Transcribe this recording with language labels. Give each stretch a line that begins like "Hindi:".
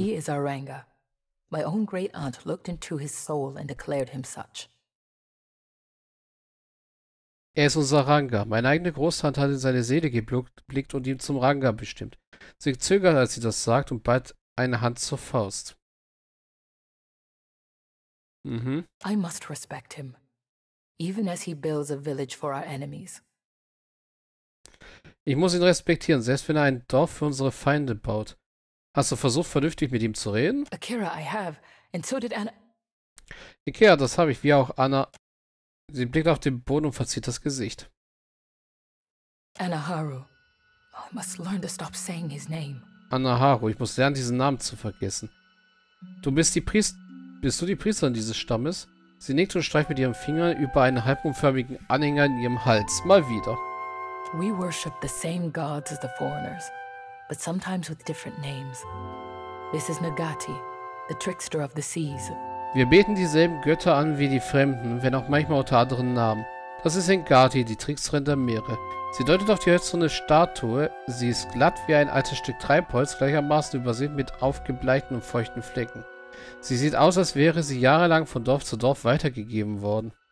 English: He is Aranga. My own great aunt looked into his soul and declared him such.
German: Er ist unser Ranga. Meine eigene Großtante hat in seine Seele geblickt und ihn zum Ranga bestimmt. Sie zögert, als sie das sagt, und ballt eine Hand zur Faust. Mhm.
English: I must respect him. Even as he builds a village for our enemies.
German: Ich muss ihn respektieren, selbst wenn er ein Dorf für unsere Feinde baut. Hast du versucht, vernünftig mit ihm zu reden?
English: Akira, I have. And so did
German: Akira, das habe ich, wie auch Anna. Sie blickt auf den Boden und verzieht das Gesicht.
English: Anaharu. Oh, I must learn to stop saying his name.
German: Anaharu, ich muss lernen, diesen Namen zu vergessen. Bist du die Priesterin dieses Stammes? Sie nickt und streicht mit ihrem Finger über einen halbmondförmigen Anhänger in ihrem Hals. Mal wieder.
English: We worship the same gods as the foreigners, but sometimes with different names. This is Nagati, the trickster of the seas.
German: Wir beten dieselben Götter an wie die Fremden, wenn auch manchmal unter anderen Namen. Das ist Nagati, die Tricksterin der Meere. Sie deutet auf die hölzerne Statue. Sie ist glatt wie ein altes Stück Treibholz, gleichermaßen übersät mit aufgebleichten und feuchten Flecken. Sie sieht aus, als wäre sie jahrelang von Dorf zu Dorf weitergegeben worden.